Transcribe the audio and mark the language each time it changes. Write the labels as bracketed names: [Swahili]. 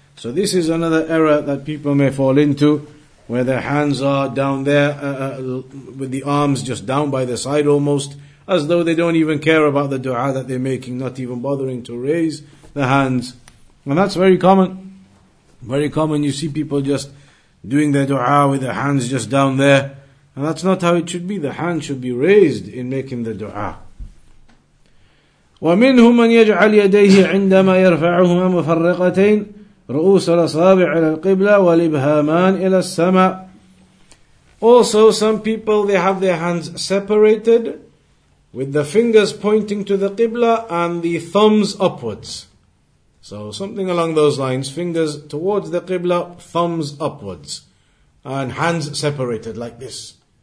[English] So this is another error that people may fall into, where their hands are down there with the arms just down by their side almost, as though they don't even care about the dua that they're making, not even bothering to raise the hands. And that's very common. Very common, you see people just doing their dua with their hands just down there. And that's not how it should be. The hand should be raised in making the dua. [Arabic] وَمِنْهُمْ مَنْ يَجْعَلْ يَدَيْهِ عِنْدَمَا يَرْفَعُهُمَا مُفَرِّقَتَيْنِ رؤوس الأصابع إلى القبلة والإبهامان إلى السماء. [English] Also, some people, they have their hands separated with the fingers pointing to the Qibla and the thumbs upwards. So, something along those lines, fingers towards the Qibla, thumbs upwards, and hands separated like this.